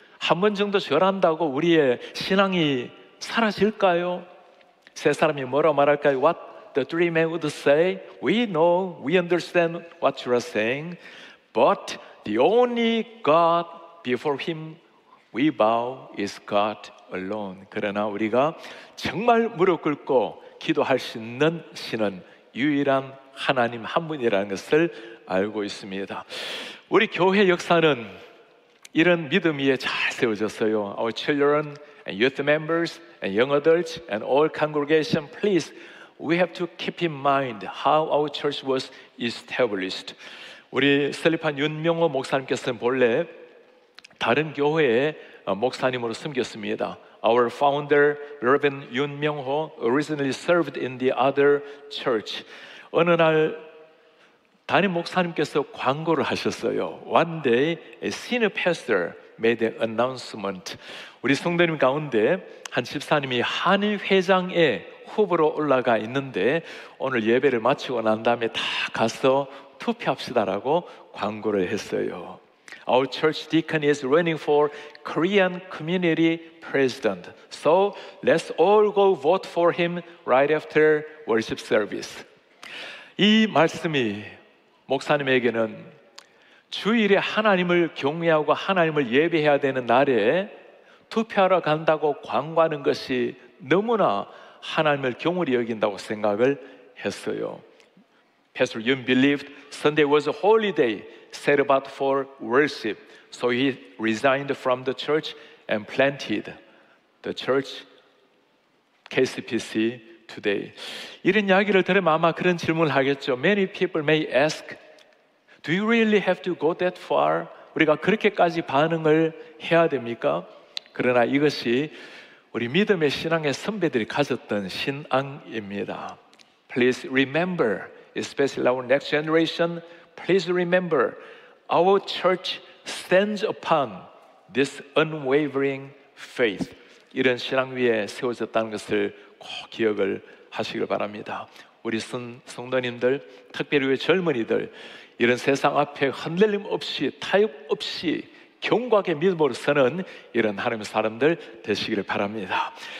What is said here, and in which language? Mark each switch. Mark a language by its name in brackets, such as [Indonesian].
[Korean] 한 번 정도 절한다고 우리의 신앙이 사라질까요? 세 사람이 뭐라고 말할까요? [English] What the three men would say? We know, we understand what you are saying, but the only God before whom we bow is God alone. [Korean] 그러나 우리가 정말 무릎 꿇고 기도할 수 있는 신은 유일한 하나님 한 분이라는 것을 알고 있습니다. 우리 교회 역사는 이런 믿음 위에 잘 세워졌어요. [English] Our children and youth members and young adults and all congregation, please, we have to keep in mind how our church was established. [Korean] 우리 슬리판 윤명호 목사님께서는 본래 다른 교회에 목사님으로 섬겼습니다. [English] Our founder, Reverend 윤명호, originally served in the other church. [Korean] 어느 날 담임 목사님께서 광고를 하셨어요. [English] One day, a senior pastor made an announcement. [Korean] 우리 성도님 가운데 한 집사님이 한인 회장의 후보로 올라가 있는데 오늘 예배를 마치고 난 다음에 다 가서 투표합시다라고 광고를 했어요. [English] Our church deacon is running for Korean community president. So let's all go vote for him right after worship service. [Korean] 이 말씀이 목사님에게는 주일에 하나님을 경외하고 하나님을 예배해야 되는 날에 투표하러 간다고 광고하는 것이 너무나 하나님을 경외히 여긴다고 생각을 했어요. [English] Pastor Yun believed Sunday was a holy day set apart for worship. So he resigned from the church and planted the church KCPC today. [Korean] 이런 이야기를 들으면 아마 그런 질문을 하겠죠. [English] Many people may ask, Do you really have to go that far? [Korean] 우리가 그렇게까지 반응을 해야 됩니까? 그러나 이것이 우리 믿음의 신앙의 선배들이 가졌던 신앙입니다. [English] Please remember, especially our next generation, please remember, our church stands upon this unwavering faith. [Korean] 이런 신앙 위에 세워졌다는 것을 꼭 기억을 하시길 바랍니다. 우리 성도님들, 특별히 우리 젊은이들, 이런 세상 앞에 흔들림 없이 타협 없이 견고하게 믿음으로 서는 이런 하나님의 사람들 되시기를 바랍니다.